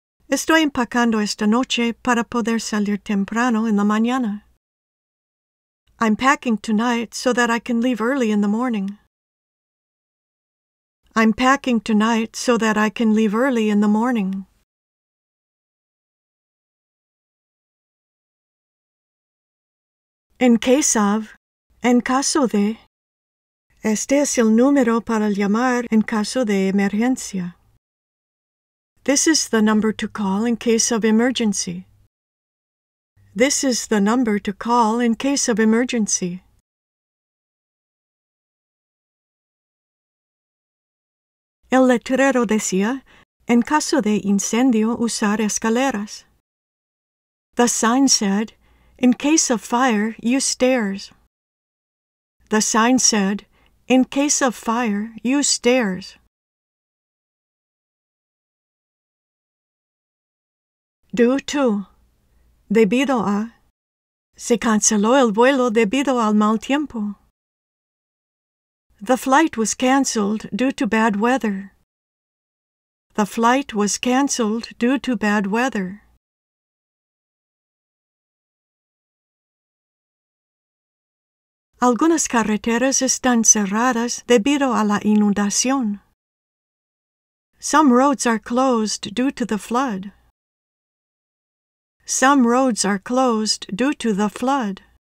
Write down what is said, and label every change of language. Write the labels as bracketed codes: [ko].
[es] Estoy empacando esta noche para poder salir temprano en la mañana. [en] I'm packing tonight so that I can leave early in the morning. I'm packing tonight so that I can leave early in the morning. [es] En [en] case of, [es] en caso de, este es el número para llamar en caso de emergencia. [en] This is the number to call in case of emergency. This is the number to call in case of emergency. [es] El letrero decía, en caso de incendio, usar escaleras. [en] The sign said, in case of fire, use stairs. The sign said, in case of fire, use stairs. Due to, [es] debido a, se canceló el vuelo debido al mal tiempo. [en] The flight was canceled due to bad weather. The flight was canceled due to bad weather. [es] Algunas carreteras están cerradas debido a la inundación. [en] Some roads are closed due to the flood. Some roads are closed due to the flood.